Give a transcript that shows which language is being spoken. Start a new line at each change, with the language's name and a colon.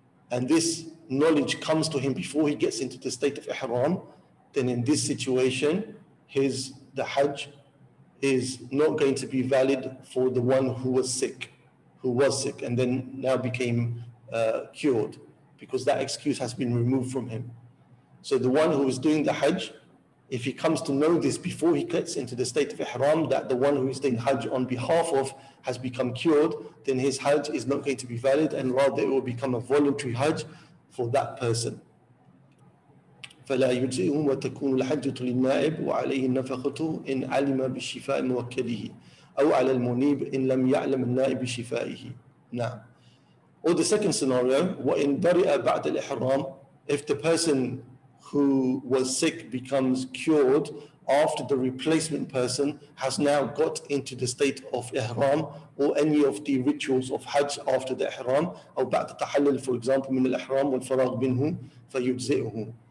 English: and this knowledge comes to him before he gets into the state of ihram, then in this situation, the Hajj is not going to be valid for the one who was sick and then now became cured, because that excuse has been removed from him. So the one who is doing the Hajj, if he comes to know this before he gets into the state of ihram, that the one who is doing Hajj on behalf of has become cured, then his Hajj is not going to be valid, and rather it will become a voluntary Hajj for that person.
Arabic: فلا يجزئه وتكون الحجة للنائب وعليه النفقة إن علم بشفاء موكله أو على المنيب إن لم يعلم النائب بشفائه. نعم.
English: Or the second scenario,
Arabic: وإن برئ بعد الإحرام,
English: if the person who was sick becomes cured after the replacement person has now got into the state of ihram or any of the rituals of hajj after the ihram or
Arabic: بعد التحلل,
English: for example,
Arabic: من الإحرام والفراغ منه فيجزئه.